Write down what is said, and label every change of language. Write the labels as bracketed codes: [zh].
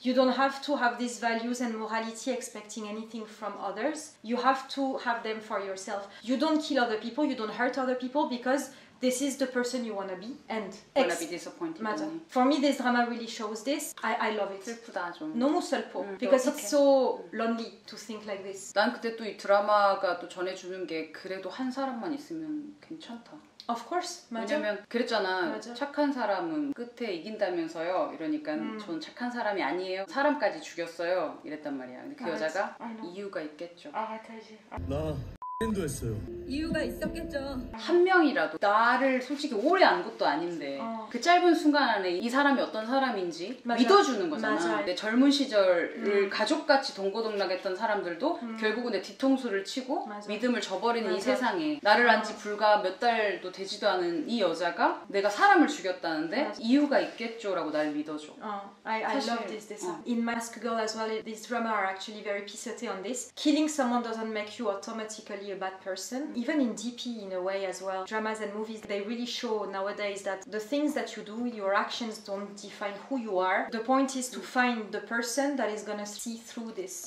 [en] You don't have to have these values and morality expecting anything from others. You have to have them for yourself. You don't kill other people, you don't hurt other people, because this is the person you wanna be, and wanna be disappointed. Imagine. For me, this drama really shows this. I love it. [ko] 슬프다 좀. 너무 슬퍼. [en] Because it's so lonely to think like this. [ko] 난 그때 또 이 드라마가 또 전해주는 게 그래도 한 사람만 있으면 괜찮다. [en] Of course, 맞아. [ko] 왜냐면 그랬잖아, 맞아. 착한 사람은 끝에 이긴다면서요. 이러니까 전 착한 사람이 아니에요. 사람까지 죽였어요. 이랬단 말이야. 근데 그 여자가 이유가 있겠죠. 아, 맞지. 나 도 했어요. 이유가 있었겠죠. 한 명이라도 나를 솔직히 오래 안 것도 아닌데 그 짧은 순간 안에 이 사람이 어떤 사람인지 맞아. 믿어주는 거잖아. 맞아. 내 젊은 시절을 가족같이 동고동락했던 사람들도 결국은 내 뒤통수를 치고 맞아. 믿음을 저버리는 맞아. 이 세상에 나를 안 지 불과 몇 달도 되지도 않은 이 여자가 내가 사람을 죽였다는데 맞아. 이유가 있겠죠라고 날 믿어줘. [en] I love this design. In Mask Girl as well, this drama are actually very pissed on this. Killing someone doesn't make you automatically a bad person. Even in DP, in a way as well, dramas and movies, they really show nowadays that the things that you do, your actions don't define who you are. The point is to find the person that is gonna see through this.